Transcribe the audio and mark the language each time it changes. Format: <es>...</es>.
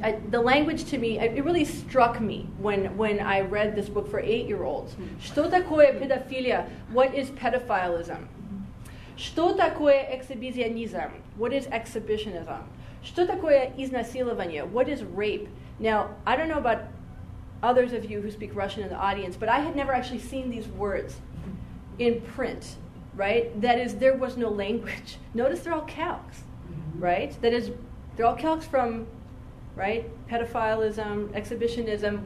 <en>The language to me, it really struck me when I read this book for 8-year-olds.</en> <ru>Что такое педофилия?</ru> <en>What is pedophilism?</en> <ru>Что такое эксгибиционизм?</ru> <en>What is exhibitionism?</en> <ru>Что такое изнасилование?</ru> <en>What is rape? Now, I don't know about others of you who speak Russian in the audience, but I had never actually seen these words in print, right? That is, there was no language. Notice they're all calques, right? That is, they're all calques from, right, pedophilism, exhibitionism.</en>